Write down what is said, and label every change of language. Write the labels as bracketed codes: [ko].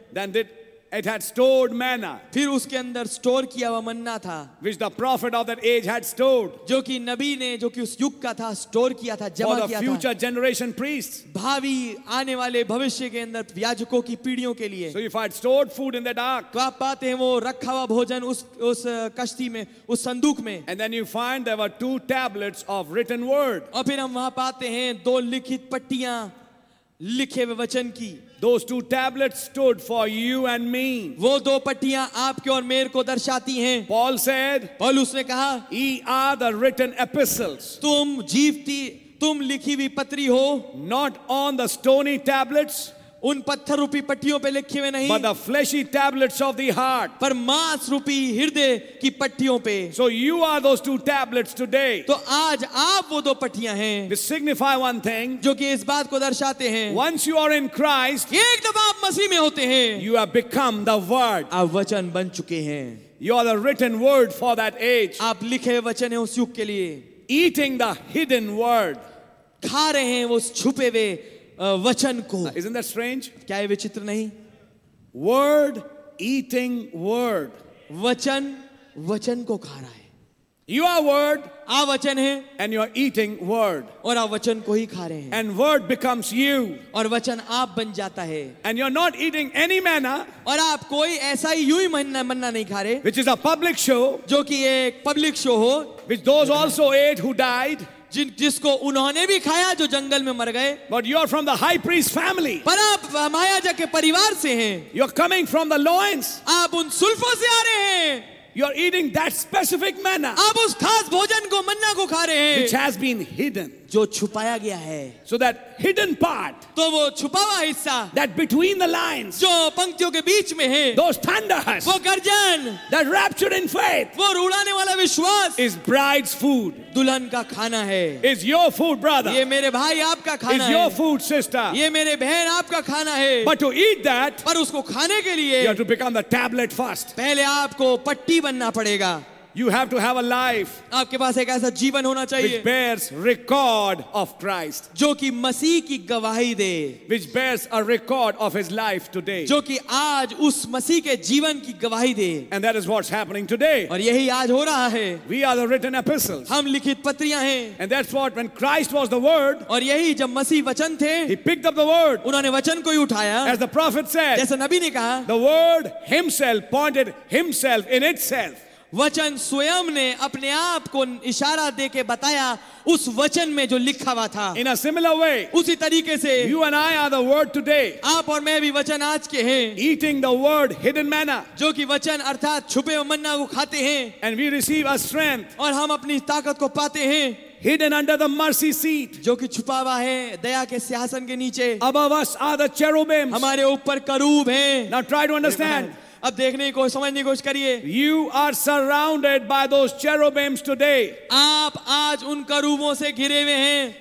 [en] Then did it had stored manna. [hi] फिर उसके अंदर स्टोर किया हुआ मन्ना था. [en] Which the prophet of that age had stored. [hi] जो कि नबी ने, जो कि उस युग का था, स्टोर किया था, जमा किया था. [en] For the future generation priests. [hi] भावी आने वाले भविष्य के अंदर याजकों की पीढ़ियों के लिए. [en] So if I had stored food in the dark. [hi] तो आप पाते हैं वो रखा हुआ भोजन उस कश्ती में, उस संदूक में. [en] And then you find there were two tablets of written word. [hi] और फिर हम वहाँ पाते हैं दो लिखित पट्टियाँ लिखे हुए वचन की. [en] Those two tablets stood for you and me. [hi] वो दो पट्टियाँ आपके और मेरे को दर्शाती हैं. [en] Paul said. [hi] पॉल उसने कहा. [en] Ye are the written epistles. [hi] तुम जीवती, तुम लिखी हुई पत्री हो. [en] Not on the stony tablets. [hi] उन पत्थर रूपी पट्टियों पे लिखे हुए नहीं. [en] But the fleshy tablets of the heart. [hi] पर मांस रूपी हृदय की पट्टियों पे. [en] So you are those two tablets today. [hi] तो आज आप वो दो पट्टियां हैं. [en] Which signify one thing. [hi] जो कि इस बात को दर्शाते हैं. [en] Once you are in Christ. [hi] एक दफा आप मसीह में होते हैं. [en] You have become the word. [hi] आप वचन बन चुके हैं. [en] You are the written word for that age. [hi] आप लिखे वचन हैं उस युग के लिए. [en] Eating the hidden word. [hi] खा रहे हैं वो छुपे हुए वचन को. [en] Isn't that strange? [hi] क्या ये विचित्र नहीं? [en] Word eating word. [hi] वचन वचन को खा रहा है. [en] You are word. [hi] आप वचन हैं. [en] And you are eating word. [hi] और आप वचन को ही खा रहे हैं. [en] And word becomes you. [hi] और वचन आप बन जाता है. [en] And you are not eating any manna. [hi] और आप कोई ऐसा ही यूं ही मन्ना नहीं खा रहे. [en] Which is a public show. [hi] जो कि एक [en] public show [hi] हो. [en] Which those also ate who died. [hi] जिसको उन्होंने भी खाया जो जंगल में मर गए. [en] But you are from the high priest family. [hi] पर आप महायाजक के परिवार से हैं. [en] You are coming from the loins. [hi] आप उन सुल्फों से आ रहे हैं. [en] You are eating that specific manna. [hi] आप उस खास भोजन को, मन्ना को खा रहे हैं. [en] Which has been hidden. [hi] जो छुपाया गया है. [en] So that hidden part. [hi] तो वो छुपा हुआ हिस्सा. [en] That between the lines. [hi] जो पंक्तियों के बीच में है. [en] Those thunders. [hi] वो गर्जन. [en] That rapture in faith. [hi] वो रुलाने वाला विश्वास. [en] Is bride's food. [hi] दुल्हन का खाना है. [en] Is your food, brother. [hi] ये मेरे भाई आपका खाना है. [en] Is your food, sister. [hi] ये मेरे बहन आपका खाना है. [en] But to eat that. [hi] पर उसको खाने के लिए. [en] You have to become the tablet first. [hi] पहले आपको पट्टी बनना पड़ेगा. [en] You have to have a life. [hi] आपके पास एक ऐसा जीवन होना चाहिए. [en] Which bears record of Christ. [hi] जो कि मसीह की गवाही दे. [en] Which bears a record of his life today. [hi] जो कि आज उस मसीह के जीवन की गवाही दे. [en] And that is what's happening today. [hi] और यही आज हो रहा है. [en] We are the written epistles. [hi] हम लिखित पत्रियां हैं. [en] And that's what when Christ was the word. [hi] और यही जब मसीह वचन थे. [en] He picked up the word. [hi] उन्होंने वचन को ही उठाया. [en] As the prophet said. [hi] जैसे नबी ने कहा. [en] The word himself pointed himself in itself. [hi] वचन स्वयं ने अपने आप को इशारा दे के बताया उस वचन में जो लिखा हुआ था. [en] In a similar way, [hi] उसी तरीके से [en] you and I are the word today, [hi] आप और मैं भी वचन आज के हैं. [en] Eating the word hidden manna, [hi] जो कि वचन अर्थात छुपे हुए मन्ना को खाते हैं. [en] And we receive our strength, [hi] और हम अपनी ताकत को पाते हैं. [en] Hidden under the mercy seat. [hi] जो कि छुपा हुआ है दया के सिंहासन के नीचे. [en] Above us are the cherubims. [hi] हमारे ऊपर करूब हैं. [en] Now try to understand. [hi] अब देखने की कोशिश, समझने की कोशिश करिए. [en] You are surrounded by those cherubims today. [hi] आप आज उन करूबों से घिरे हुए हैं.